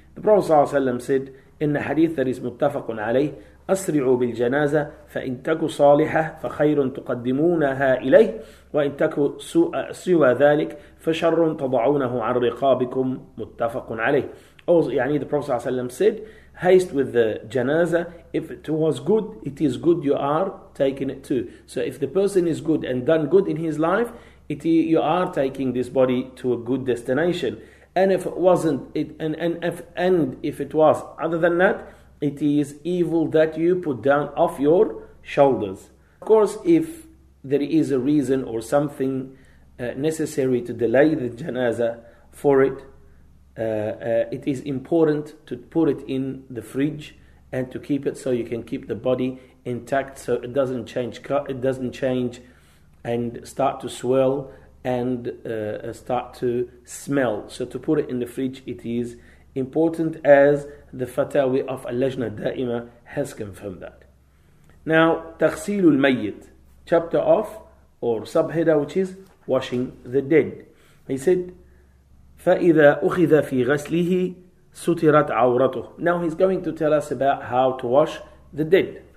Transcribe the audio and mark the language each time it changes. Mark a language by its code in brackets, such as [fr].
[en] The Prophet sallallahu alaihi wasallam said, [ar] إن حديث ذلك متفق عليه أسرعوا بالجنازة فإن تكو صالحة فخير تقدمونها إليه وإن تكو سوى ذلك فشر تضعونه عن رقابكم متفق عليه. يعني [en] the Prophet ﷺ said, haste with the janazah. If it was good, it is good you are taking it too. So if the person is good and done good in his life, you are taking this body to a good destination. And if it wasn't, if it was, other than that, it is evil that you put down off your shoulders. Of course, if there is a reason or something necessary to delay the janazah for it, it is important to put it in the fridge and to keep it so you can keep the body intact, so it doesn't change. It doesn't change and start to swell and start to smell. So to put it in the fridge, it is important, as the fatawi of Al-Lajna Da'ima has confirmed that. Now, [ar] تَغْسِيلُ الْمَيِّتِ, [en] chapter of, or subheader, which is washing the dead. He said, [ar] فَإِذَا أُخِذَ فِي غَسْلِهِ سُتِرَتْ عَوْرَتُهُ. [en] Now he's going to tell us about how to wash the dead.